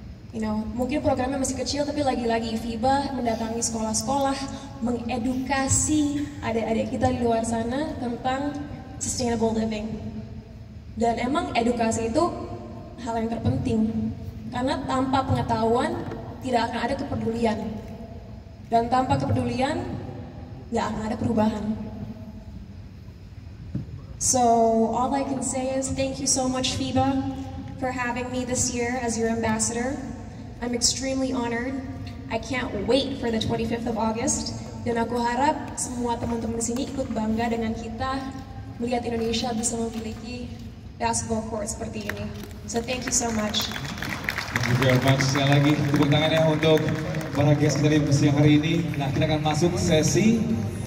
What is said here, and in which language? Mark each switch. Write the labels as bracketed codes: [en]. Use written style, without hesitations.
[en] You know, [id] mungkin programnya masih kecil, tapi lagi-lagi FIBA mendatangi sekolah-sekolah, mengedukasi adik-adik kita di luar sana tentang [en] sustainable living. [id] Dan emang edukasi itu hal yang terpenting, karena tanpa pengetahuan tidak akan ada kepedulian, dan tanpa kepedulian nggak akan ada perubahan. [en] So all I can say is thank you so much FIBA for having me this year as your ambassador. I'm extremely honored. I can't wait for the 25th of August. [id] Dan aku harap semua teman-teman di sini ikut bangga dengan kita melihat Indonesia bisa memiliki basketball court seperti ini. [en] So thank you so much. [id] Terima kasih banyak sekali lagi. Tepuk tangannya untuk para guest dari siang hari ini. Nah, kita akan masuk sesi